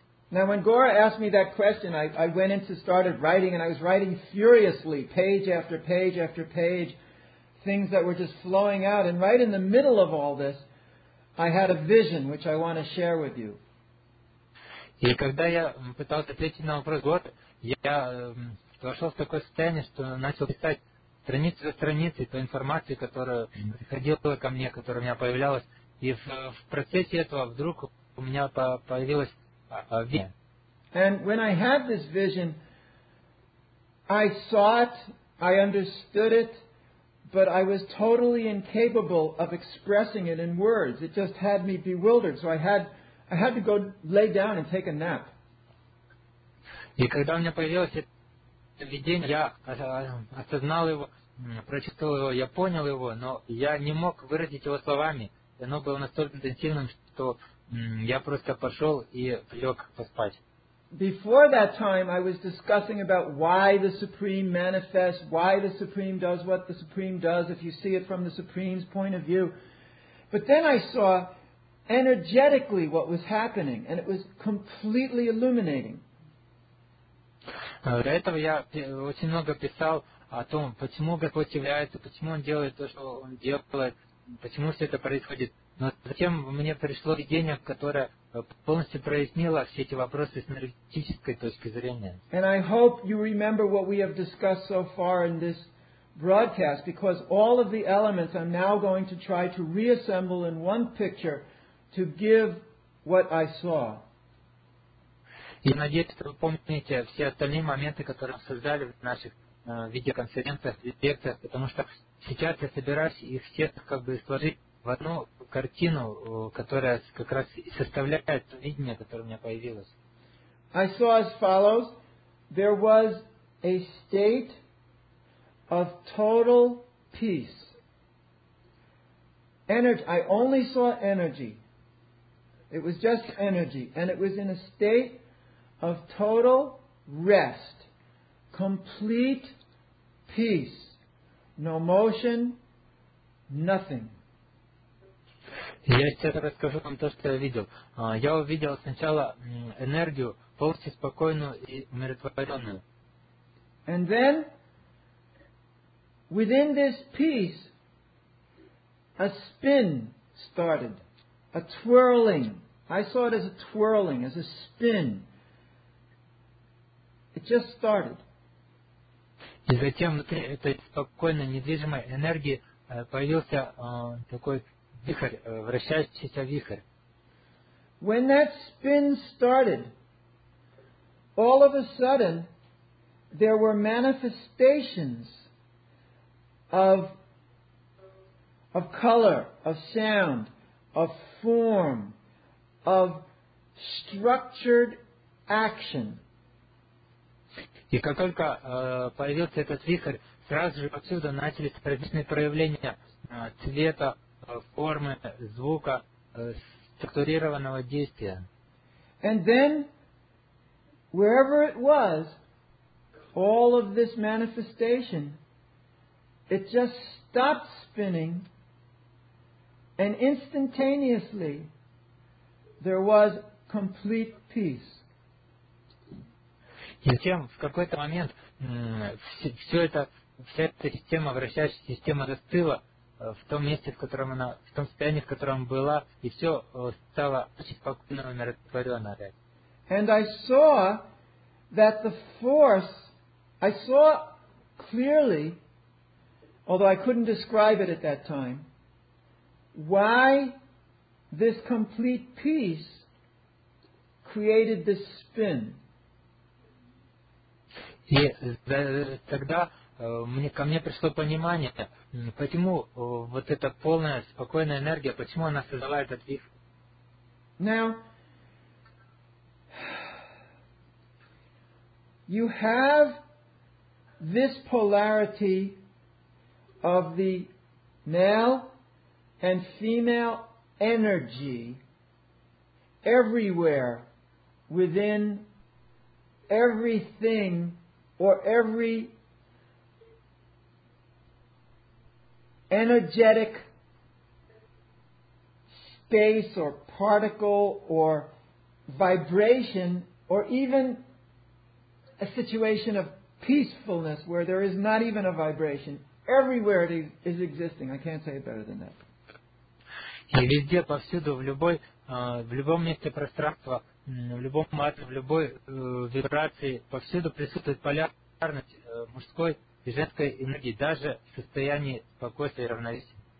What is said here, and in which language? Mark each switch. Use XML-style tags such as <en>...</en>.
<en>Now, when Gaura asked me that question, I went in to start writing, and I was writing furiously, page after page after page, things that were just flowing out. And right in the middle of all this, I had a vision, which I want to share with you.</en> <ru>И когда я пытался ответить на вопрос Гор, я вошел в такое состояние, что начал писать страницу за страницей ту информацию, которая приходила ко мне, которая у меня появлялась. И в процессе этого вдруг у меня появилась вина.</ru> <en>And when I had this vision, I saw it, I understood it, but I was totally incapable of expressing it in words. It just had me bewildered, so I had to go lay down and take a nap.</en> <ru>И когда у меня появилось это видение, я осознал его, прочитал его, я понял его, но я не мог выразить его словами. Оно было настолько интенсивным, что я просто пошел и лег поспать.</ru> <en>Before that time, I was discussing about why the Supreme manifests, why the Supreme does what the Supreme does, if you see it from the Supreme's point of view. But then I saw energetically what was happening, and it was completely illuminating.</en> <ru>До этого я очень много писал о том, почему Господь является, почему Он делает то, что Он делает, почему все это происходит. Но затем мне пришло видение, которое полностью прояснило все эти вопросы с энергетической точки зрения.</ru> <en>And I hope you remember what we have discussed so far in this broadcast, because all of the elements I'm now going to try to reassemble in one picture to give what I saw.</en> <ru>Я надеюсь, что вы помните все остальные моменты, которые мы создали в наших видеоконференциях, лекциях, потому что сейчас я собираюсь их все как бы сложить в одну картину, которая как раз составляет то видение, которое у меня появилось.</ru> <en>I saw as follows. There was a state of total peace. Energy. I only saw energy. It was just energy. And it was in a state of total rest. Complete peace. No motion. Nothing.</en> <ru>Я сейчас расскажу вам то, что я видел. Я увидел сначала энергию, полностью спокойную и умиротворенную.</ru> <en>And then, within this peace, a spin started, a twirling. I saw it as a twirling, as a spin. It just started.</en> <ru>И затем внутри этой спокойной, недвижимой энергии появился такой вихрь, вращающийся вихрь.</ru> <en>When that spin started, all of a sudden, there were manifestations of color, of sound, of form, of structured action.</en> <ru>И как только появился этот вихрь, сразу же отсюда начались различные проявления цвета, формы, звука, структурированного действия.</ru> <en>And then, wherever it was, all of this manifestation, it just stopped spinning, and instantaneously, there was complete peace.</en> <ru>И затем, в какой-то момент, вся эта система, вращающаяся система, застыла в том месте, в котором она, в том состоянии, в котором была, и все стало очень спокойно, умиротворенно.</ru> <en>And I saw that the force, I saw clearly, although I couldn't describe it at that time, why this complete peace created this spin.</en> <ru>И тогда ко мне пришло понимание, почему вот эта полная спокойная энергия, почему она создала этот вихрь.</ru> <en>Now, you have this polarity of the male and female energy everywhere within everything or every energetic space or particle or vibration or even a situation of peacefulness where there is not even a vibration. Everywhere it is existing. I can't say it better than that.</en> <ru>И везде, повсюду, в любом месте пространства, в любом матрице, в любой вибрации, повсюду присутствует полярность мужской и женской энергии, даже в состоянии спокойствия и равновесия.</ru>